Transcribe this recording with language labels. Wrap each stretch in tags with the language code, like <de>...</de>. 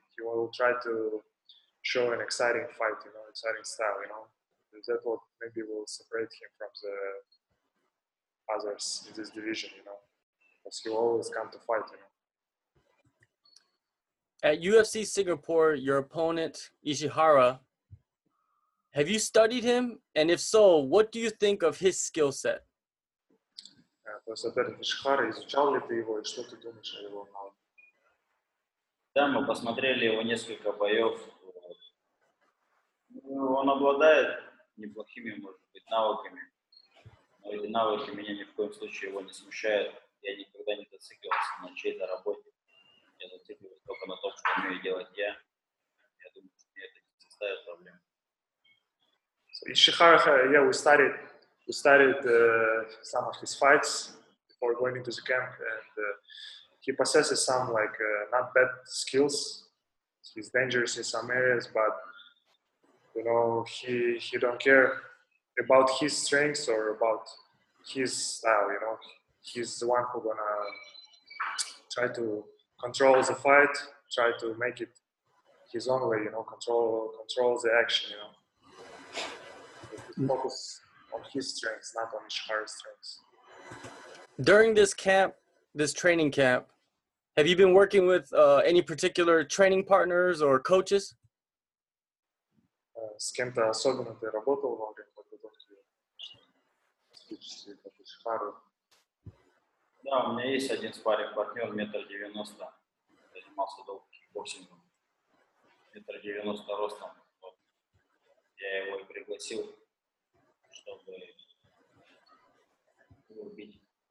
<en>He will try to show an exciting fight, exciting style, Is that what maybe will separate him from the others in this division, Because he always come to fight, At UFC Singapore, your opponent, Ishihara, have you studied him? And if so, what do you think of his skill set?</en> <ru>Твой соперник Ишихара, изучал ли ты его, и что ты думаешь о его навыках? Да, мы посмотрели его несколько боев. Он обладает неплохими, может быть, навыками. Но эти навыки меня ни в коем случае его не смущают. Я никогда не зацикливался на чьей-то работе. Я зацикливаюсь только на том, что умею делать я. Я думаю, что мне это не составит проблем.</ru> <en>Ишихара, we started some of his fights before going into the camp, and he possesses some not bad skills. He's dangerous in some areas, but he don't care about his strengths or about his style, He's the one who gonna try to control the fight, try to make it his own way, control the action, Focus on his strengths, not on Ishihara's strengths. During this camp, this training camp, have you been working with any particular training partners or coaches?</en> <ru>С кем-то особенно ты работал во время подготовки физической, как и Ишихара? Да, у меня есть один спарринг-партнер, 1.90 м. Занимался долго кикбоксингом. 1.90 м ростом. Вот. Я его и пригласил, чтобы его бить.</ru>